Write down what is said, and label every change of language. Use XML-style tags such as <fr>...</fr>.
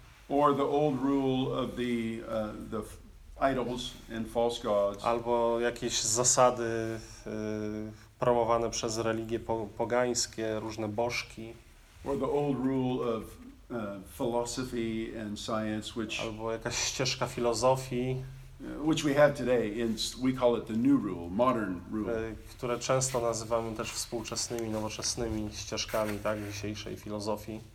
<en>or the old rule of the idols and false gods,</en> <pl>albo jakieś zasady promowane przez religie pogańskie, różne bożki,</pl> <en>or the old rule of philosophy and science, which,</en> <pl>albo jakaś ścieżka filozofii,</pl> <en>which we have today, and we call it the new rule, modern rule.</en> <pl>Które często nazywamy też współczesnymi, nowoczesnymi ścieżkami, tak, dzisiejszej filozofii.</pl>